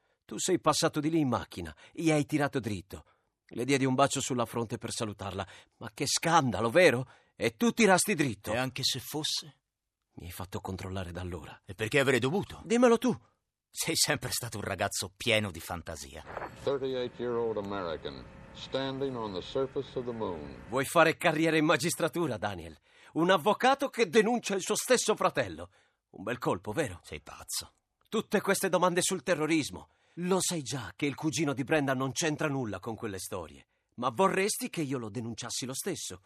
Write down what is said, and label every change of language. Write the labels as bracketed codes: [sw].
[it] Tu sei passato di lì in macchina, gli hai tirato dritto. Le diedi un bacio sulla fronte per salutarla. Ma che scandalo, vero? E tu tirasti dritto. E anche se fosse? Mi hai fatto controllare da allora. E perché avrei dovuto? Dimmelo tu. Sei sempre stato un ragazzo pieno di fantasia. [en] 38-year-old American, standing on the surface of the moon. [it] Vuoi fare carriera in magistratura, Daniel? Un avvocato che denuncia il suo stesso fratello. Un bel colpo, vero? Sei pazzo. Tutte queste domande sul terrorismo. Lo sai già che il cugino di Brenda non c'entra nulla con quelle storie. Ma vorresti che io lo denunciassi lo stesso?